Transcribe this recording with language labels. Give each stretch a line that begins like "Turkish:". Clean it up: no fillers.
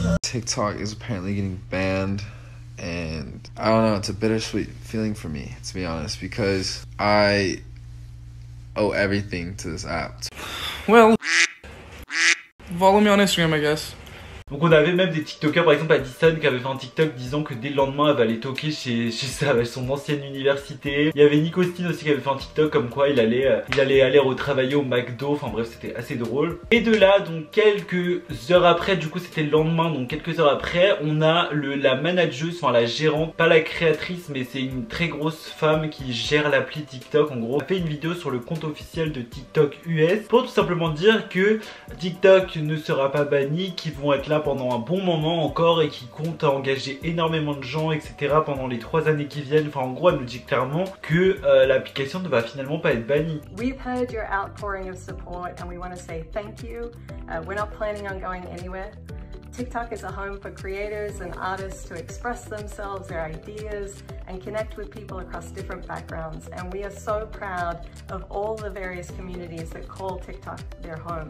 English: TikTok is apparently getting banned, and I don't know, it's a bittersweet feeling for me, to be honest, because I owe everything to this app. Well, follow me on Instagram, I guess.
French: Donc on avait même des TikTokers, par exemple Addison, qui avait fait un TikTok disant que dès le lendemain elle va aller toquer chez son ancienne université. Il y avait Nick Austin aussi qui avait fait un TikTok comme quoi il allait aller retravailler au McDo. Enfin bref, c'était assez drôle. Et de là, donc quelques heures après, du coup c'était le lendemain, donc quelques heures après, on a la manageuse, enfin la gérante, pas la créatrice, mais c'est une très grosse femme qui gère l'appli TikTok en gros. Elle fait une vidéo sur le compte officiel de TikTok US pour tout simplement dire que TikTok ne sera pas banni, qu'ils vont être là pendant un bon moment encore et qui compte engager énormément de gens, etc. pendant les 3 années qui viennent. Enfin, en gros, elle nous dit clairement que l'application ne va finalement pas être bannie.
English: We've heard your outpouring of support and we want to say thank you. We're not planning on going anywhere. TikTok is a home for creators and artists to express themselves, their ideas, and connect with people across different backgrounds. And we are so proud of all the various communities that call TikTok their home.